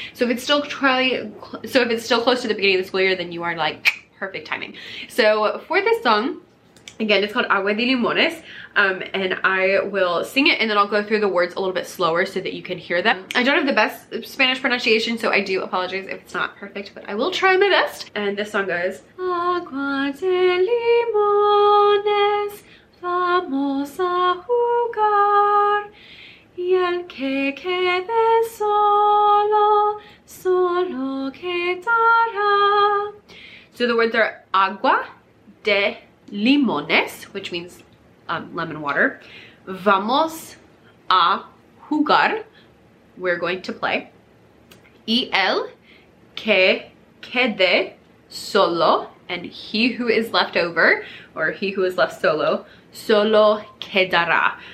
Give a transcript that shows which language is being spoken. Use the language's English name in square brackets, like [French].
[English] So if it's still close to the beginning of the school year, then you are like perfect timing. So for this song, again, it's called Agua de Limones, and I will sing it, and then I'll go through the words a little bit slower so that you can hear them. I don't have the best Spanish pronunciation, so I do apologize if it's not perfect, but I will try my best. And this song goes, [Spanish] Agua de Limones, vamos a jugar, y el que quede solo, solo quedará. [English] So the words are Agua de Limones, which means lemon water. [Spanish] Vamos a jugar. [English] We're going to play. [Spanish] Y el que quede solo, [English] and he who is left over, or he who is left solo, [Spanish] solo quedará.